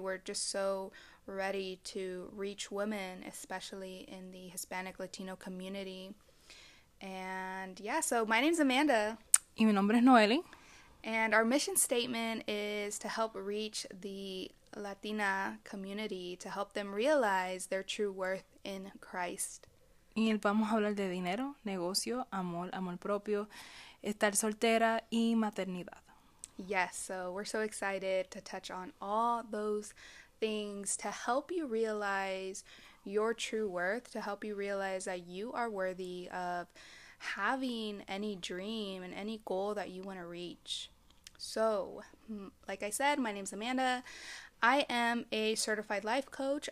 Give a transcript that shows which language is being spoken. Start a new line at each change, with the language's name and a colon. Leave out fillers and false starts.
English: We're just so ready to reach women, especially in the Hispanic Latino community. And yeah, so my name is Amanda.
Spanish: Y mi nombre es Noeli.
English: And our mission statement is to help reach the Latina community, to help them realize their true worth in Christ.
Spanish: Y vamos a hablar de dinero, negocio, amor, amor propio, estar soltera y maternidad.
English: Yes, so we're so excited to touch on all those things to help you realize your true worth, to help you realize that you are worthy of having any dream and any goal that you want to reach. So, like I said, my name is Amanda. I am a certified life coach.